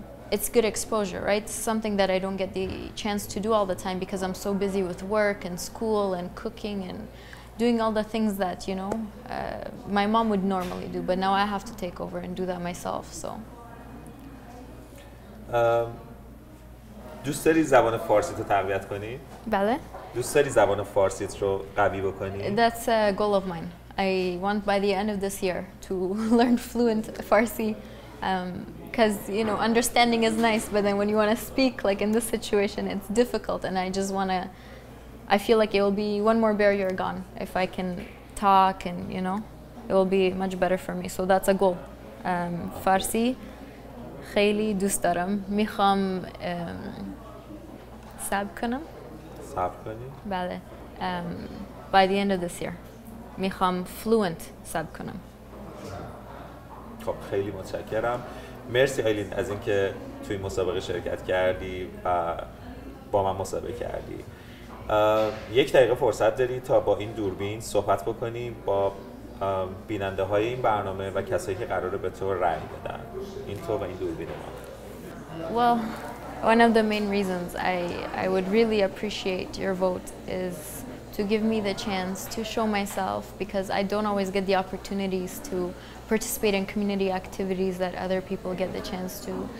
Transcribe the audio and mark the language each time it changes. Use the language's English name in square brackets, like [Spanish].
[English] It's good exposure, right? Something that I don't get the chance to do all the time, because I'm so busy with work and school and cooking and doing all the things that, you know, my mom would normally do, but now I have to take over and do that myself, so. [Persian] دوست داری زبان فارسیت رو تقویت کنی؟ بله. دوست داری زبان فارسیت رو قوی بکنی؟ [English] That's a goal of mine. I want by the end of this year to learn fluent Farsi. Because, you know, understanding is nice, but then when you want to speak, like in this situation, it's difficult. And I just want to, I feel like it will be one more barrier gone. If I can talk and, you know, it will be much better for me. So that's a goal. Farsi. [Persian] خیلی دوست دارم. میخوام صبر کنم. صبر کنی؟ بله. [English] By the end of this year. [Persian] میخوام fluent صبر کنم. خب خیلی متشکرم. مرسی آیلین از اینکه توی مسابقه شرکت کردی و با من مسابقه کردی. یک دقیقه فرصت داری تا با این دوربین صحبت بکنی با بیننده های این برنامه و کسایی که قراره به تو رأی بدن. این تو و این دوربین ما. [English] Well, one of the main reasons I would really appreciate your vote is to give me the chance to show myself, because I don't always get the opportunities to participate in community activities that other people get the chance to.